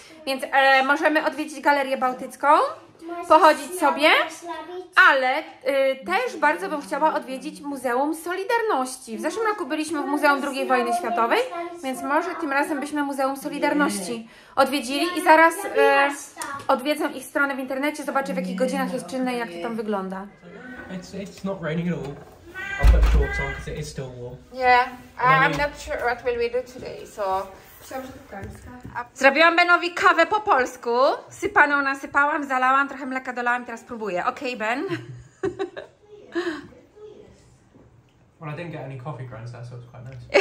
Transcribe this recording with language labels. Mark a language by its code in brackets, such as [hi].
[pl] Więc możemy odwiedzić Galerię Bałtycką, pochodzić sobie, ale też bardzo bym chciała odwiedzić Muzeum Solidarności. W zeszłym roku byliśmy w Muzeum II Wojny Światowej, więc może tym razem byśmy Muzeum Solidarności odwiedzili i zaraz odwiedzę ich stronę w internecie, zobaczę w jakich godzinach jest czynne i jak to tam wygląda. [en] It's not raining at all. I'll put shorts on because it is still warm. Yeah, I'm not sure what will we do today, so... [pl] Zrobiłam Benowi kawę po polsku, sypaną nasypałam, zalałam, trochę mleka dolałam, teraz próbuję. [en] Okej, okay, Ben. Well, I didn't get any coffee grounds, so it's quite nice.